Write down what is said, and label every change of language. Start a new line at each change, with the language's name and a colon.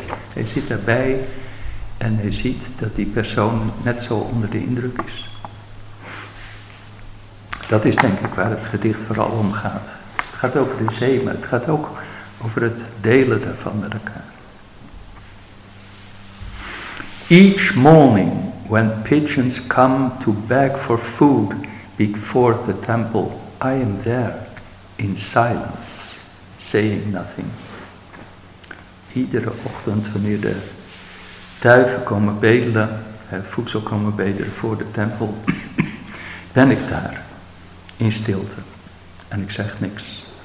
Dutch: Hij zit erbij en hij ziet dat die persoon net zo onder de indruk is. Dat is denk ik waar het gedicht vooral om gaat. Het gaat over de zee, maar het gaat ook over het delen daarvan met elkaar.
English: Each morning when pigeons come to beg for food before the temple, I am there, in silence, saying nothing.
Dutch: Iedere ochtend wanneer de duiven komen bedelen, voedsel komen bedelen voor de tempel, ben ik daar, in stilte, en ik zeg niks.